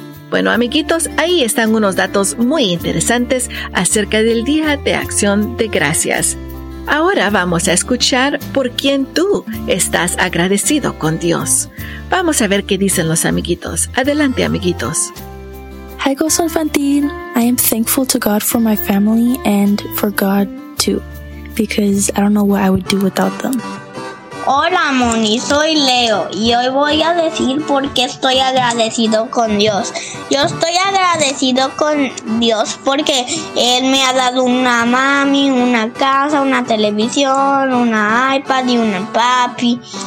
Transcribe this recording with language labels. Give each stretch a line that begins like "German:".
Spanish: Bueno, amiguitos, ahí están unos datos muy interesantes acerca del Día de Acción de Gracias. Ahora vamos a escuchar por quién tú estás agradecido con Dios. Vamos a ver qué dicen los amiguitos. Adelante, amiguitos.
English: Hi, Gozo Infantil. I am thankful to God for my family and for God, too, because I don't know what I would do without them.
Spanish: Hola, Moni. Soy Leo. Y hoy voy a decir por qué estoy agradecido con Dios. Yo estoy agradecido con Dios porque Él me ha dado una mami, una casa, una televisión, una iPad y una papi.